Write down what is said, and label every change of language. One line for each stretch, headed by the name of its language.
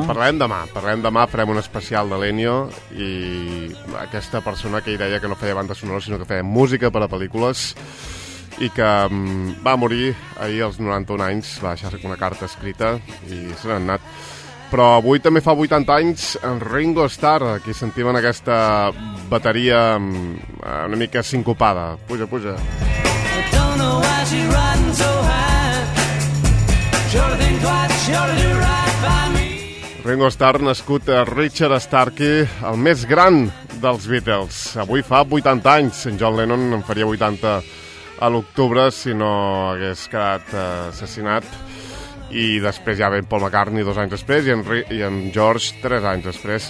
Catalan: En parlarem demà, farem un especial de l'Ennio i aquesta persona que hi deia que no feia banda sonora, sinó que feia música per a pel·lícules i que va morir ahir als 91 anys, va deixar-se una carta escrita i se n'ha anat. Però avui també fa 80 anys en Ringo Starr, aquí sentim en aquesta bateria una mica sincopada. Puja.
English: I don't know why she's riding so high. Sure thing twice, sure to do right by me.
Catalan: Ringo Starr, nascut a Richard Starkey, el més gran dels Beatles. Avui fa 80 anys, en John Lennon en faria 80 a l'octubre si no hagués quedat assassinat. I després ja ven Paul McCartney 2 anys després i en George 3 anys després.